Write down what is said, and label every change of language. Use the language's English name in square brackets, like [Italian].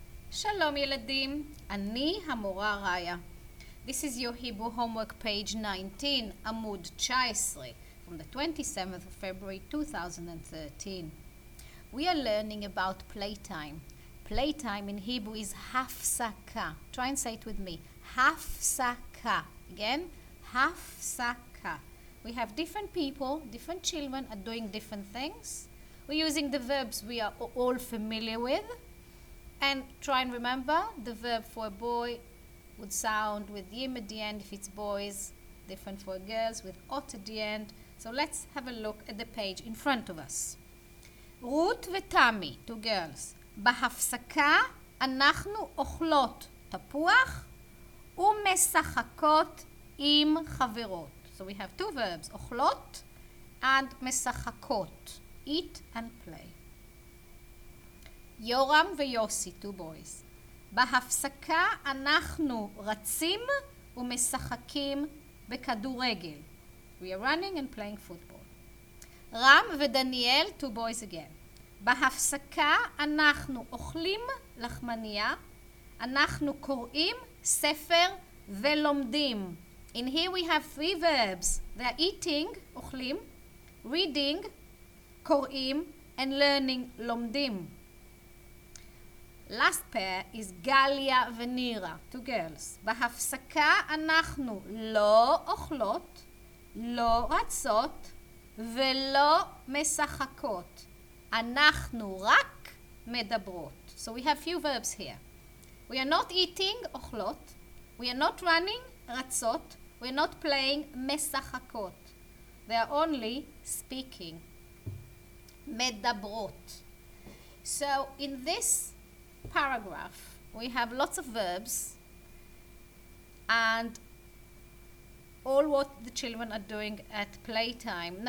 [Hebrew] שלום ילדים, אני המורה ראיה. [English] This is your Hebrew homework page 19, [Hebrew] עמוד 19, [English] from the 27th of February 2013. We are learning about playtime. Playtime in Hebrew is hafsaka. Try and say it with me. Hafsaka. Again, hafsaka. We have different people, different children are doing different things. We're using the verbs we are all familiar with. And try and remember, the verb for a boy would sound with yim at the end if it's boys, different for girls with ot at the end. So let's have a look at the page in front of us. Rut ותמי, two girls. [Hebrew] בהפסקה אנחנו אוכלות תפוח ומשחקות עם חברות. [English] So we have two verbs, אוכלות and משחקות, eat and play. יורם ויוסי, two boys. [Hebrew] בהפסקה אנחנו רצים ומשחקים בכדורגל. [English] We are running and playing football. רם ודניאל, two boys again. [Hebrew] בהפסקה אנחנו אוכלים לחמניה, אנחנו קוראים ספר ולומדים. [English] In here we have three verbs. They are eating, אוכלים, reading, קוראים, and learning, לומדים. Last pair is Galia ונירה, two girls. [Hebrew] בהפסקה אנחנו לא אוכלות, לא רצות ולא משחקות. אנחנו רק מדברות. [English] So we have few verbs here. We are not eating, אוכלות. We are not running, רצות. We are not playing, משחקות. They are only speaking. מדברות. So in this paragraph, we have lots of verbs and all what the children are doing at playtime.